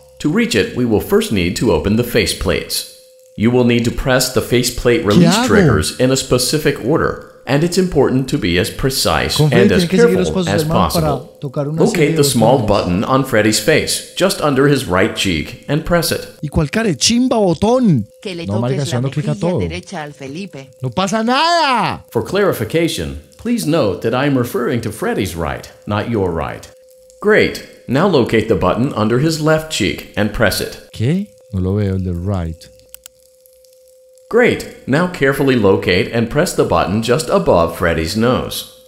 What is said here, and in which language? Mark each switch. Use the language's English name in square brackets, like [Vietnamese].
[English] To reach it, we will first need to open the face plates. You will need to press the face plate release triggers in a specific order, and it's important to be as precise and as careful as possible. Locate the small button on Freddy's face, just under his right cheek, and press it. [Spanish] ¿Y cuál care chimba botón? Que le toques la mejilla derecha al Felipe. ¡No pasa nada! [English] For clarification, please note that I am referring to Freddy's right, not your right. Great. Now locate the button under his left cheek and press it. [Spanish] ¿Qué? No lo veo, el de right. [English] Great. Now carefully locate and press the button just above Freddy's nose.